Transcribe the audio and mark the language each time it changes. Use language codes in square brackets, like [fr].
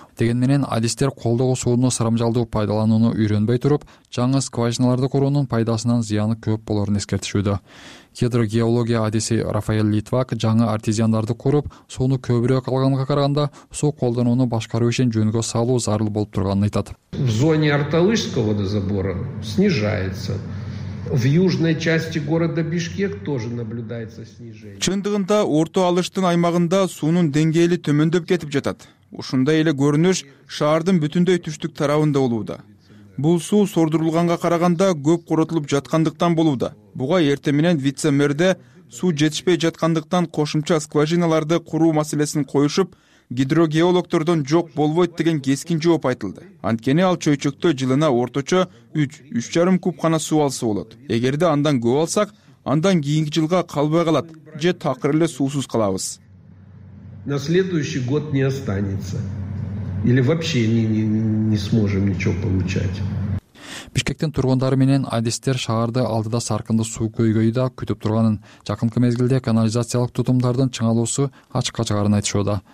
[ky] Деген менен адистер колдогу сууну сарамжалдуу пайдаланууну үйрөнбөй туруп, жаңы скважиналарды куруунун пайдасынан зыяны көп болорун эскертишүүдө. Гидрогеология адиси Рафаэль Литвак жаңы артезиандарды куруп, сууну көбүрөөк алганга караганда, суу колдонууну башкаруу ишин жөнгө салуу зарыл болуп турганын айтат. [ru] В зоне Арталышского водозабора снижается. В южной части города Бишкек тоже наблюдается снижение. [ky] Чындыгында Орто Алыштын аймагында суунун деңгээли төмөндөп кетип жатат. Ушундай эле көрүнүш шаардын бүтүндөй түштүк тарабында болууда. Бул суу сордурулганга караганда көп куротулуп жаткандыктан болууда. Буга эртең менен вице-мэрде суу жетишпей жаткандыктан кошумча скважиналарды куруу маселесин коюшуп, гидрогеологдордон жок болбойт деген кескин жооп айтылды. Анткени ал чөйчөктө жылына орточо 3-3,5 куб гана суу алса болот. Эгерде андан көп алсак, андан кийинки жылга калбай калат же такыр эле суусуз калабыз. [ru] На следующий год не останется. Или вообще не сможем ничего получать. [ky] Бишкектин тургундары менен адистер шаарды алдыда саркындуу суу көйгөйү да күтүп турганын, жакынкы мезгилде канализациялык тутумдардын чыңалуусу ачыкка чыгарын айтышууда.